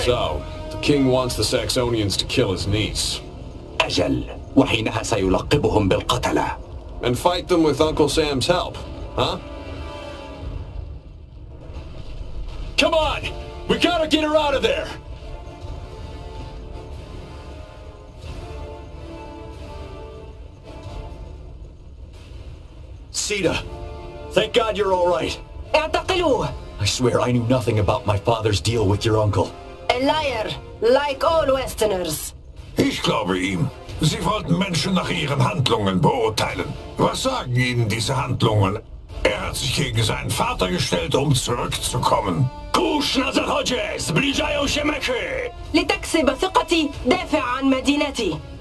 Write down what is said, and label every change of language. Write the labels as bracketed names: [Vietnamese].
[English] So, the king wants the Saxonians to kill his niece. [Arabic] أجل. وحينها سيلقبهم بالقتلة. [English] And fight them with Uncle Sam's help, huh? Come on! We gotta get her out of there! Sita, thank God you're all right. [Arabic] اعتقلوا! [English] I swear I knew nothing about my father's deal with your uncle. A liar, like all Westerners. [German] Ich glaube ihm. Sie wollten Menschen nach ihren Handlungen beurteilen. Was sagen Ihnen diese Handlungen? Er hat sich gegen seinen Vater gestellt, um zurückzukommen. [Polish] Kusch na zachodzie! Zbliżają się mechy! [Arabic] لتكسب ثقتي دافع عن مدينتي.